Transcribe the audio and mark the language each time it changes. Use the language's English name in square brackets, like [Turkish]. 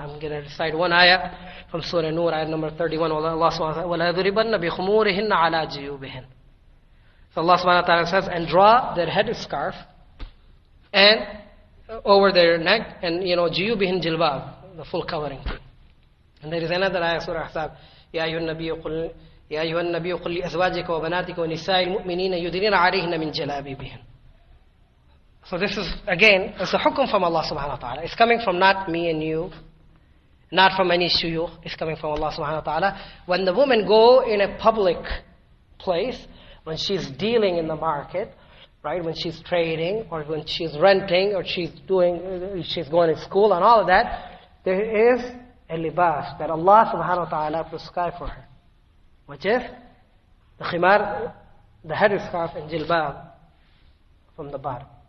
[English] I'm going to recite one ayah from Surah Nur, ayah number 31. [Arabic] Allah subhanahu wa ta'ala, وَلَيَذُرِبَنَّ بِخُمُورِهِنَّ عَلَىٰ جِيُوبِهِنَّ. [English] So Allah subhanahu wa ta'ala says, and draw their head scarf and over their neck, and you know, جِيُوبِهِنَّ jilbab, the full covering. And there is another ayah, Surah Ahzab, [Arabic] يَا أَيُّهَا النَّبِيُّ قُلْ لِأَزْوَاجِكَ وَبَنَاتِكَ وَنِسَاءِ الْمُؤْمِنِينَ يُدْنِينَ عَلَيْهِنَّ مِنْ جَلَابِيبِهِنَّ. [English] So this is, again, it's a hukum from Allah subhanahu wa ta'ala. It's coming from not me and you, not from any shuyukh. It's coming from Allah subhanahu wa ta'ala. When the woman go in a public place, when she's dealing in the market, right, when she's trading, or when she's renting, or she's going to school and all of that, there is a libas that Allah subhanahu wa ta'ala prescribed for her, which is the khimar, the head scarf, and jilbab from the bar.